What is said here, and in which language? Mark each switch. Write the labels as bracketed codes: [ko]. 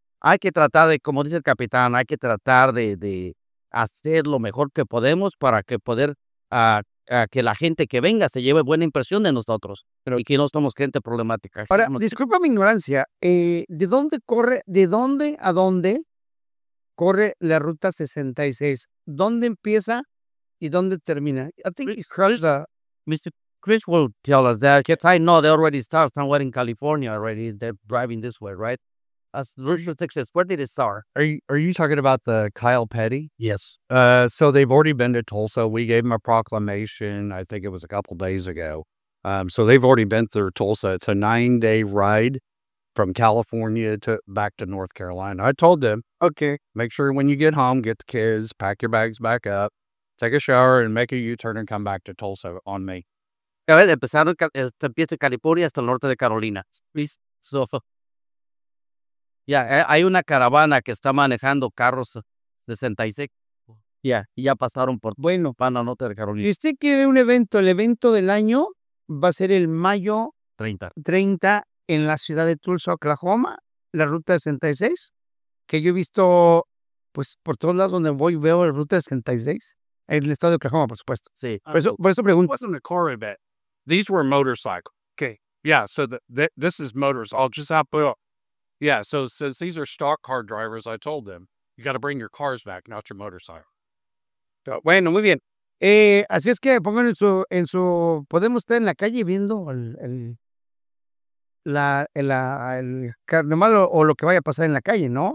[es] Hay que tratar de, como dice el capitán, hay que tratar de hacer lo mejor que podemos para que poder a que la gente que venga se lleve buena impresión de nosotros, pero y que no somos gente problemática. Ahora, disculpa mi ignorancia, ¿de dónde a dónde corre la ruta 66? ¿Dónde empieza y dónde termina? [en] I think Mr. Chris will tell us that, because I know they already start somewhere in California already. They're driving this way, right? As Richard Texas, where did it start? Are you talking about the Kyle Petty? Yes. So they've already been to Tulsa. We gave them a proclamation, I think it was a couple days ago. So they've already been through Tulsa. It's a 9-day ride from California to back to North Carolina. I told them, okay, make sure when you get home, get the kids, pack your bags back up, take a shower and make a U-turn and come back to Tulsa on me. [es] A ver, empezaron, empieza en California hasta el norte de Carolina. So, ya, hay una caravana que está manejando carros 66. Ya, y ya pasaron por bueno, para norte de Carolina. Y usted quiere un evento, el evento del año va a ser el mayo 30. 30 en la ciudad de Tulsa, Oklahoma, la ruta 66, que yo he visto, pues, por todos lados donde voy, veo la ruta 66, en el estado de Oklahoma, por supuesto. Sí. Por eso pregunto. [en] Wasn't a car event. These were motorcycle. Okay. Yeah. So this is motors. I'll just have to. Yeah. So since these are stock car drivers, I told them, you got to bring your cars back, not your motorcycle. [es] Bueno, muy bien. Así es que pongan en su. Podemos estar en la calle viendo lo que vaya a pasar en la calle, ¿no?